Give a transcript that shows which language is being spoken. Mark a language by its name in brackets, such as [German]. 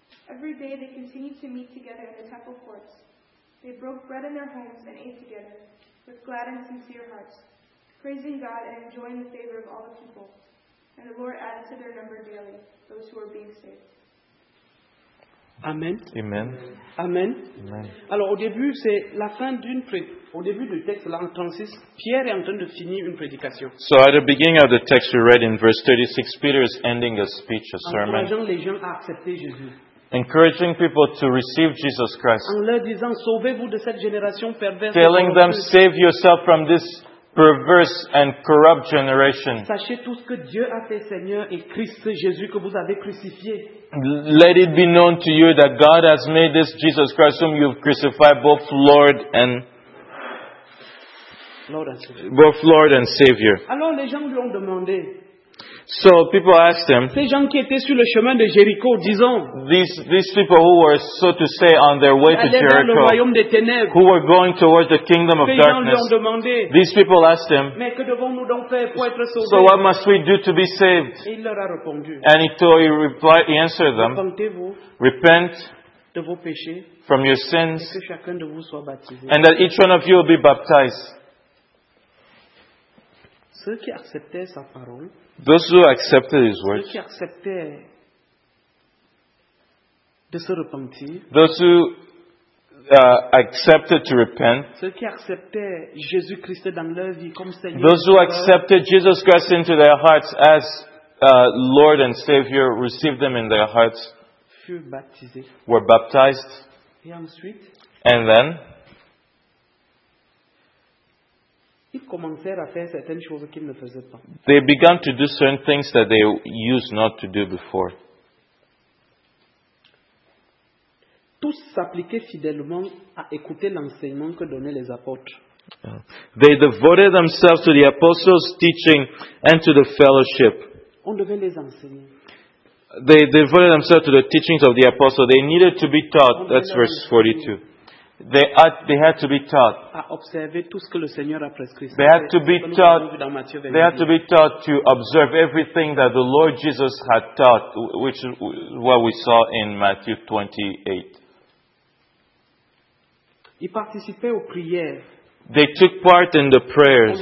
[English] Every day they continued to meet together in the temple courts. They broke bread in their homes and ate together, with glad and sincere hearts, praising God and enjoying the favor of all the people. And the Lord added to their number daily those who were being saved. Amen. Amen. Amen. Amen. [French] Alors au début, c'est la fin d'une au début du texte là en 36, Pierre est en train de finir une prédication. [English] So at the beginning of the text we read in verse 36, Peter is ending a speech, a sermon. [French] Encourageant les gens à accepter Jésus. [English] Encouraging people to receive Jesus Christ. [French] En leur disant sauvez-vous de cette génération perverse. [English] Telling them save yourself from this perverse and corrupt generation. [French] Sachez tout ce que Dieu a fait, Seigneur et Christ Jésus que vous avez crucifié. [English] Let it be known to you that God has made this Jesus Christ whom you've crucified both Lord and Savior. [French] Alors les gens lui ont demandé. [English] So people asked him. [French] Ces gens qui étaient sur le chemin de Jéricho, disons. [English] These people who were, so to say, on their way to Jericho, who were going towards the kingdom of darkness. These people asked him. [French] Mais que devons-nous donc faire pour être sauvés? [English] So what must we do to be saved? [French] Et il leur a répondu. [English] And he answered them. Repent [French] de vos péchés, [English] from your sins, [French] et que chacun de vous soit baptisé. [English] And that each one of you will be baptized. [French] Ceux qui acceptaient sa parole. [English] Those who accepted his words. [French] Ceux qui acceptaient de se repentir. [English] Those who accepted to repent. [French] Ceux qui acceptaient Jésus Christ dans leur vie comme Seigneur. [English] Those who accepted Jesus Christ into their hearts as Lord and Savior, received them in their hearts. [French] Furent baptisés. [English] Were baptized. [French] Et ensuite. [English] And then. [French] Ils commencèrent à faire certaines choses qu'ils ne faisaient pas. [English] They began to do certain things that they used not to do before. [French] Tous s'appliquaient fidèlement à écouter l'enseignement que donnaient les apôtres. [English] They devoted themselves to the apostles' teaching and to the fellowship. [French] On devait les enseigner. [English] They devoted themselves to the teachings of the apostles. They needed to be taught. That's verse 42. They had to be taught. [French] À observer tout ce que le Seigneur a prescrit. [English] They had to be taught to observe everything that the Lord Jesus had taught, which is what we saw in Matthew 28. [French] Ils participaient aux prières. [English] They took part in the prayers.